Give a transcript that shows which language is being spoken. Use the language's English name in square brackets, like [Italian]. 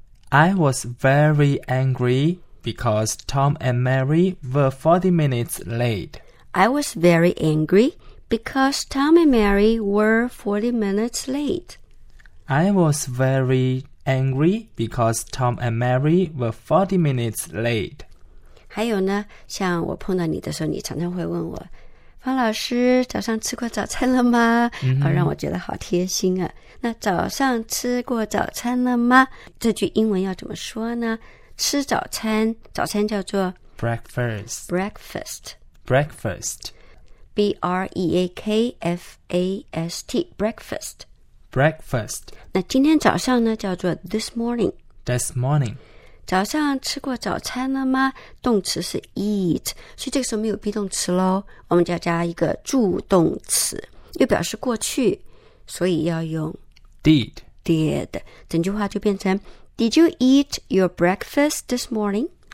[English] I was very angry because Tom and Mary were 40 minutes late. I was very angry because Tom and Mary were 40 minutes late. I was very angry because Tom and Mary were 40 minutes late. [Chinese] 还有呢，像我碰到你的时候，你常常会问我方老师早上吃过早餐了吗？让我觉得好贴心啊。那早上吃过早餐了吗？这句英文要怎么说呢？吃早餐，早餐叫做 [English] Breakfast B-R-E-A-K-F-A-S-T Breakfast Breakfast [Chinese] 那今天早上呢叫做 [English] This morning [Chinese] 早上吃过早餐了吗？动词是 eat， 所以这个时候没有 be 动词咯，我们就要加一个助动词，又表示过去，所以要用 [English] did [Chinese] 整句话就变成 [English] Did you eat your breakfast this morning?